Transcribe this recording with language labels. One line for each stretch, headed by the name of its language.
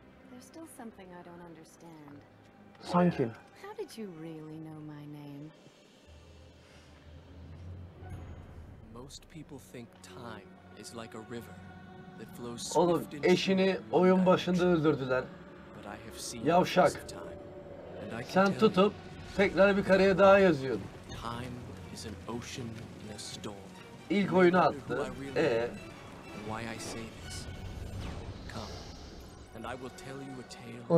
English: There's still something I don't understand. Sanki. How did you really know my name? Most people think time is like a river that flows swift.
Turkish: Oğlum eşini oyun başında öldürdüler. Yavşak. Sen tutup tekrar bir kareye daha yazıyordun.
English: Time is an ocean in a storm.
Turkish: İlk oyunu attı.
English: Why I say this. Come. And I will tell you a tale.